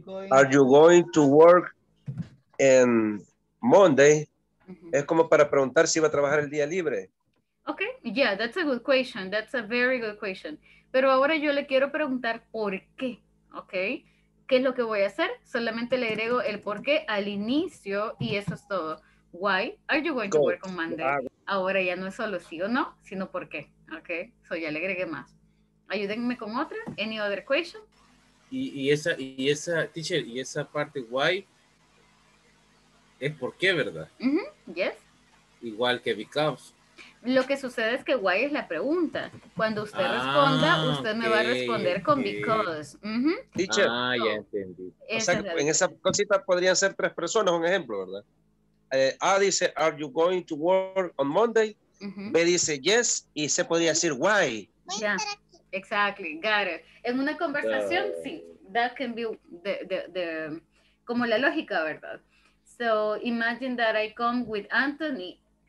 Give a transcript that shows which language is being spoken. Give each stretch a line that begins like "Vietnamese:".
English: Are you going to work on Monday? Mm-hmm.
Spanish: Es como para preguntar si va a trabajar el día libre.
English: Okay, yeah, that's a good question. That's a very good question.
Spanish: Pero ahora yo le quiero preguntar por qué, okay? ¿Qué es lo que voy a hacer? Solamente le agrego el por qué al inicio y eso es todo.
English: Why are you going to work on Monday?
Spanish: Ahora ya no es solo sí o no, sino por qué.
English: Okay, so
Spanish: ya le agregué más. Ayúdenme con otra.
English: Any other question?
Spanish: Y esa, teacher, y esa parte why es por qué, ¿verdad?
English: Mm-hmm. Yes.
Spanish: Igual que because. Lo que sucede es que why es la pregunta. Cuando usted responda, usted me va a responder con because. Uh-huh.
English: Teacher.
Spanish: Ah, ya entendí. O sea, en esa cosita podrían ser tres personas, un ejemplo, ¿verdad? A dice,
English: are you going to work on Monday?
Spanish: Uh-huh. B dice, yes. Y C podría decir, why.
English: Yeah, exactly, got it.
Spanish: En una conversación, sí.
English: That can be the
Spanish: como la lógica, ¿verdad?
English: So imagine that I come with Anthony.